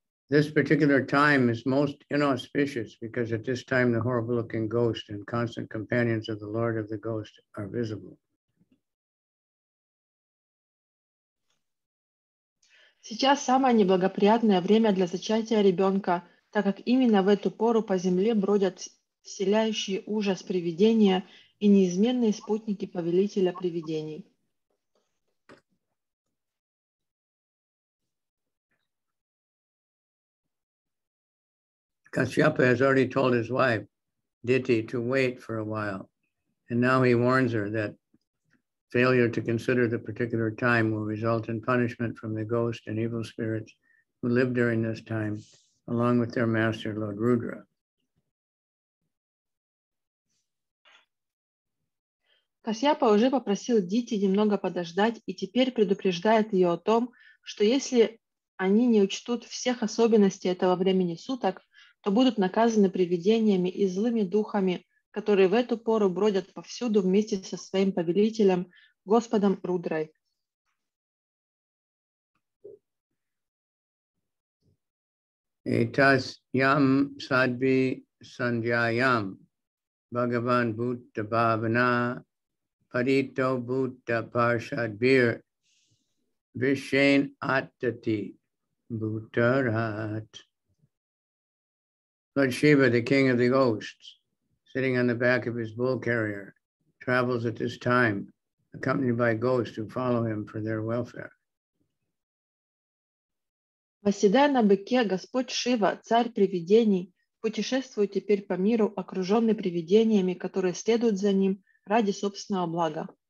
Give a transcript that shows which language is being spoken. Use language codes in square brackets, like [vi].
[en] This particular time is most inauspicious because at this time the horrible looking ghost and constant companions of the Lord of the Ghost are visible. [ru] Сейчас самое неблагоприятное время для зачатия ребенка, так как именно в эту пору по земле бродят вселяющие ужас привидения и неизменные спутники повелителя привидений. [en] Kasyapa has already told his wife, Diti, to wait for a while, and now he warns her that failure to consider the particular time will result in punishment from the ghost and evil spirits who live during this time, along with their master, Lord Rudra. [ru] Kasyapa уже попросил Дити немного подождать и теперь предупреждает ее о том, что если они не учтут всех особенностей этого времени суток, то будут наказаны привидениями и злыми духами, которые в эту пору бродят повсюду вместе со своим повелителем, Господом Рудрой. [sa] Этас ям садби санджаям Бхагаван Будда Бхавана Парито Будда Паршадбир Вишен Аттати Бхутарат. [en] Lord Shiva, the king of the ghosts, sitting on the back of his bull carrier, travels at this time, accompanied by ghosts who follow him for their welfare. [ru] Восседая на быке, Господь Шива, царь привидений, путешествует теперь по миру, окруженный привидениями, которые следуют за ним ради собственного блага.